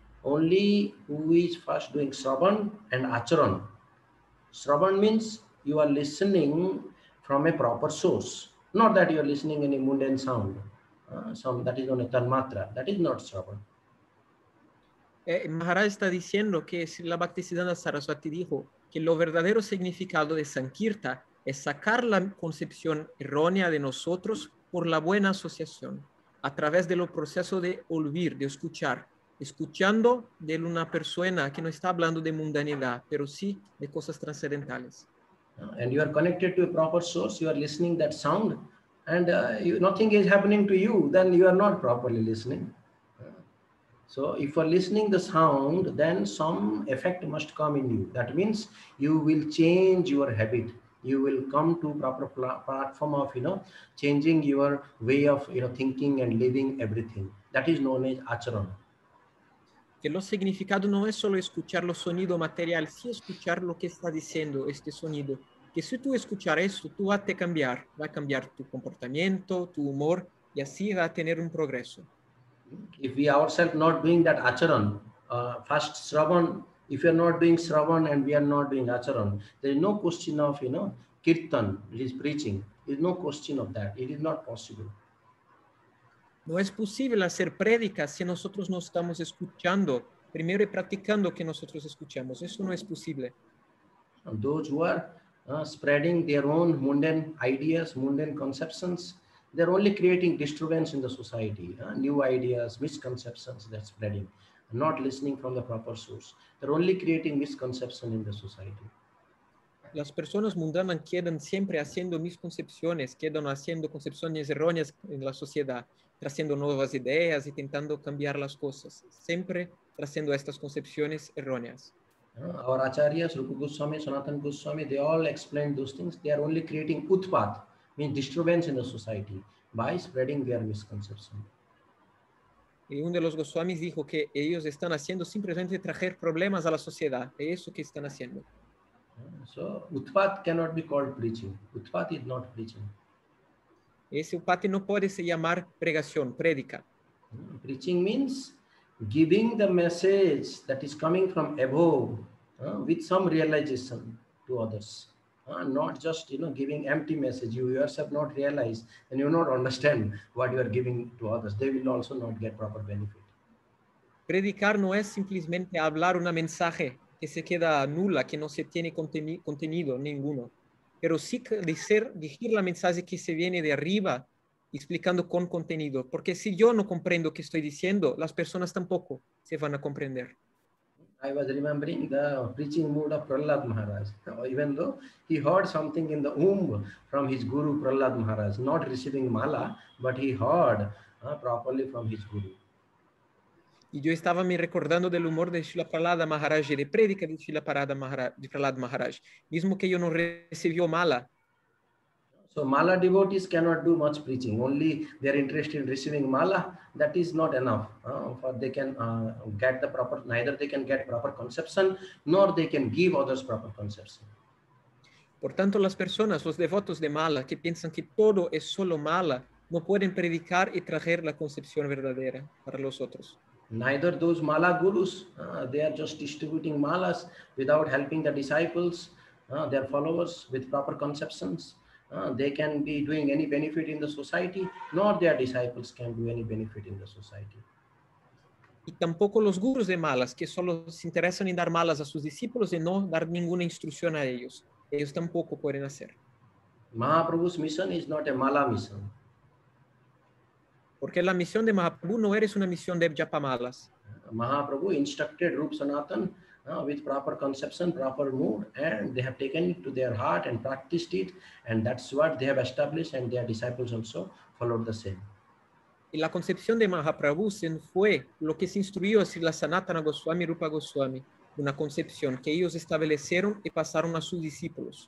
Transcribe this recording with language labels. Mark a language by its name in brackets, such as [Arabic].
[English] Only who is first doing Shravan and Acharan. Shravan means you are listening from a proper source, not that you are listening any mundane sound. Some that is on a tanmatra. That is not Shravan. [Spanish] Maharaj está diciendo que Srila Bhaktisiddhanta Saraswati dijo que lo verdadero significado de Sankirta es sacar la concepción errónea de nosotros por la buena asociación a través de los procesos de oír, de escuchar, escuchando de una persona que no está hablando de mundanidad, pero sí de cosas trascendentales. [English] And you are connected to a proper source, you are listening that sound, and nothing is happening to you, then you are not properly listening. So if you are listening the sound, then some effect must come in you. That means you will change your habit. You will come to proper platform of changing your way of thinking and living everything. That is known as acharan. [Spanish] Que lo significado no es solo escuchar los sonidos materiales, sino escuchar lo que está diciendo este sonido. Que si tú escuchas eso, tú vas a cambiar, va a cambiar tu comportamiento, tu humor, y así va a tener un progreso. [English] If we ourselves not doing that acharan, First Shravan, if you are not doing Shravan and we are not doing Acharan, there is no question of, you know, Kirtan, it is preaching. There is no question of that. It is not possible. [Spanish] No es posible hacer prédica si nosotros no estamos escuchando primero y practicando que nosotros escuchamos. Eso no es posible. [English] And those who are spreading their own mundane ideas, mundane conceptions, they're only creating disturbance in the society. New ideas, misconceptions, they're spreading. Not listening from the proper source. They're only creating misconceptions in the society. [Spanish] Las personas mundanas quedan siempre haciendo misconcepciones, quedan haciendo concepciones erróneas en la sociedad, trayendo nuevas ideas y intentando cambiar las cosas. Siempre trayendo estas concepciones erróneas. [English] Our acharyas, Rupa Goswami, Sanatana Goswami, they all explain those things. They are only creating utpat, means disturbance in the society, by spreading their misconception. [Spanish] Y uno de los Goswamis dijo que ellos están haciendo simplemente traer problemas a la sociedad. Es eso que están haciendo. [English] So, utpat cannot be called preaching. Utpat is not preaching. [Spanish] Ese utpat no puede se llamar pregación, prédica. [English] Preaching means giving the message that is coming from above with some realization to others. Not just, you know, giving empty message. You yourself not realize and you not understand what you are giving to others. They will also not get proper benefit. [Spanish] Predicar no es simplemente hablar una mensaje que se queda nula, que no se tiene contenido ninguno. Pero sí dirigir la mensaje que se viene de arriba, explicando con contenido. Porque si yo no comprendo qué estoy diciendo, las personas tampoco se van a comprender. [English] I was remembering the preaching mood of Prahlad Maharaj. Even though he heard something in the womb from his guru Prahlad Maharaj, not receiving mala, but he heard properly from his guru. [Spanish] Y yo estaba me recordando del humor de Srila Prahlada Maharaj, de prédica de Srila Prahlada Maharaj, mismo que yo no recibió mala. [English] So mala devotees cannot do much preaching. Only they are interested in receiving mala. That is not enough. For they can get the proper, neither they can get proper conception, nor they can give others proper conception. [Spanish] Por tanto, las personas, los devotos de mala, que piensan que todo es solo mala, no pueden predicar y traer la concepción verdadera para los otros. [English] Neither those mala gurus, they are just distributing malas without helping the disciples, their followers with proper conceptions. They can be doing any benefit in the society, nor their disciples can do any benefit in the society. [Spanish] Y tampoco los gurus de malas, que solo se interesan en dar malas a sus discípulos y no dar ninguna instrucción a ellos. Ellos tampoco pueden hacer. [English] Mahaprabhu's mission is not a mala mission. [Spanish] Porque la misión de Mahaprabhu no es una misión de japamalas. [English] Mahaprabhu instructed Rupa Sanatan with proper conception, proper mood, and they have taken it to their heart and practiced it, and that's what they have established, and their disciples also followed the same. [Spanish] Y la concepción de Mahaprabhu fue lo que se instruyó a Srila Sanatana Goswami Rupa Goswami, una concepción que ellos establecieron y pasaron a sus discípulos.